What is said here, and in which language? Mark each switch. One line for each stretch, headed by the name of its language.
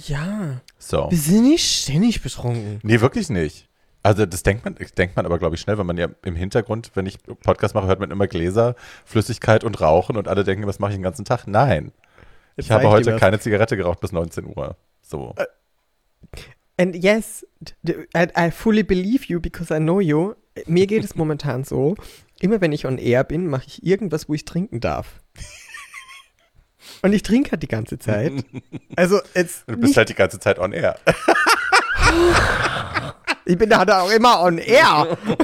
German: Ja. So. Wir sind nicht ständig betrunken. Nee, wirklich nicht. Also das denkt man aber, glaube ich, schnell, weil man ja im Hintergrund, wenn ich Podcast mache, hört man immer Gläser, Flüssigkeit und Rauchen und alle denken, was mache ich den ganzen Tag? Nein, ich habe heute keine Zigarette geraucht bis 19 Uhr. So.
English: And yes, I fully believe you because I know you.
German: Mir geht es momentan so, immer wenn ich on air bin, mache ich irgendwas, wo ich trinken darf. Und ich trinke halt die ganze Zeit. Also jetzt. Du bist halt die ganze Zeit on air. Ich bin halt auch immer on air.